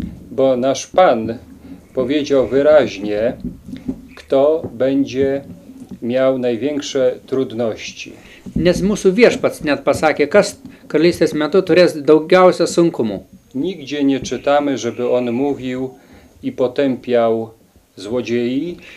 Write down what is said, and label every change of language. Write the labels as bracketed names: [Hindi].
[Polish] Bo nasz Pan powiedział wyraźnie, kto będzie miał największe trudności. [Lithuanian] Nes mūsų viešpats net pasakė, kas karalystės metu turės daugiausia sunkumų. [Polish] Nigdzie nie czytamy, żeby on mówił i potępiał złodziei.